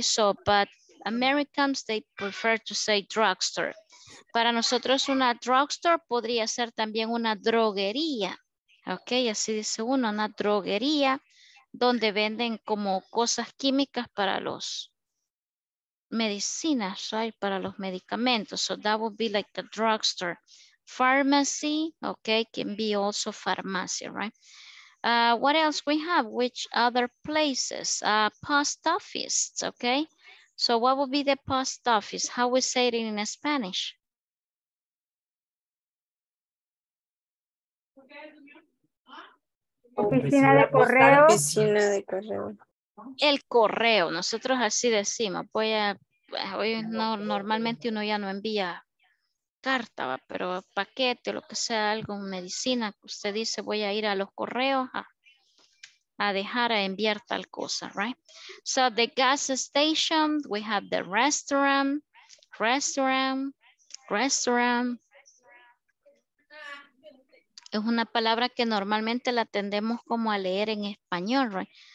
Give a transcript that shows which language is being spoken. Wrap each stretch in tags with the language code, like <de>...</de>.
<en>So, but Americans, they prefer to say drugstore.</en> <es>Para nosotros, una drugstore podría ser también una droguería. Ok, así dice uno, una droguería donde venden como cosas químicas para los medicinas, right? Para los medicamentos.</es> <en>So that would be like a drugstore. Pharmacy, ok, can be also farmacia, right? What else we have? Which other places? Post office, ok. So what would be the post office? How we say it in Spanish?</en> <es>Oficina de correo. Oficina de correo. El correo, nosotros así decimos. Voy a, hoy no, normalmente uno ya no envía carta, ¿va? Pero paquete, lo que sea, algo, medicina, usted dice voy a ir a los correos a dejar, a enviar tal cosa, right?</es> <en>So the gas station, we have the restaurant.</en> <es>Es una palabra que normalmente la tendemos como a leer en español, right?</es>